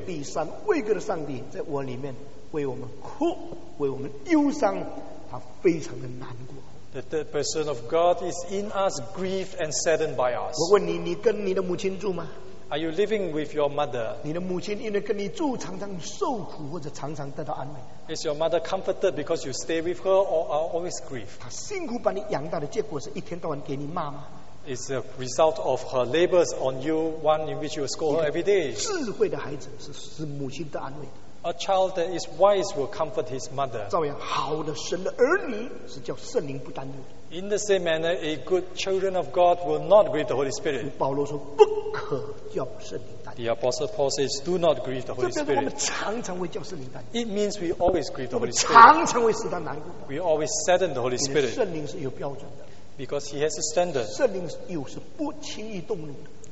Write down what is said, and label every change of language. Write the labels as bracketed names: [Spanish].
[Chinese] 第三位格的上帝在我里面为我们哭, 为我们忧伤, 他非常的难过。 [English] The third person of God is in us, grieved and saddened by us. [Chinese] 我问你, 你跟你的母亲住吗? [English] Are you living with your mother? [Chinese] 你的母亲因为跟你住, 常常受苦, 或者常常得到安慰? [English] Is your mother comforted because you stay with her or are always grieved? [Chinese] 她辛苦把你养大的, 结果是一天到晚给你骂吗? [English] It's a result of her labors on you, one in which you scold her every day. [Chinese] 智慧的孩子是使母亲得安慰。 [English] A child that is wise will comfort his mother. [Chinese] 照样好的神的儿女是叫圣灵不担忧。 [English] In the same manner, a good children of God will not grieve the Holy Spirit. [Chinese] 保罗说不可叫圣灵担忧。 [English] The Apostle Paul says, do not grieve the Holy Spirit. [Chinese] 这边我们常常会叫圣灵担忧。 [English] It means we always grieve the Holy Spirit. [Chinese] 我们常常会使他难过。 [English] We always sadden the Holy Spirit. [Chinese] 圣灵是有标准的。 [English] Because he has a standard. [Chinese] 圣灵又是不轻易动怒的。